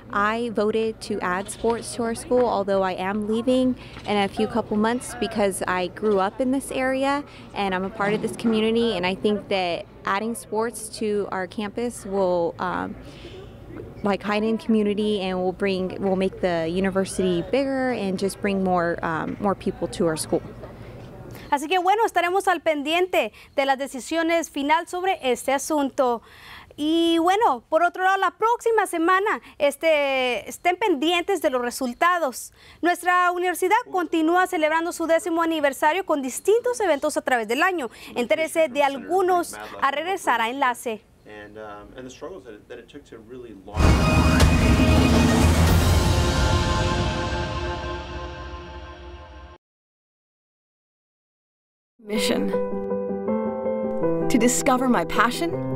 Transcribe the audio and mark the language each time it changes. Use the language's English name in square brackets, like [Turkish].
[English] I voted to add sports to our school, although I am leaving in a few couple months because I grew up in this area and I'm a part of this community, and I think that adding sports to our campus will like high-end community and will make the university bigger and just bring more people to our school. [Spanish] Así que bueno, estaremos al pendiente de las decisiones final sobre este asunto. Y bueno, por otro lado, la próxima semana estén pendientes de los resultados. Nuestra universidad continúa celebrando su décimo aniversario con distintos eventos a través del año. Entérese de algunos a regresar a Enlace. [English] And the struggles that it took to really launch. Mission. To discover my passion.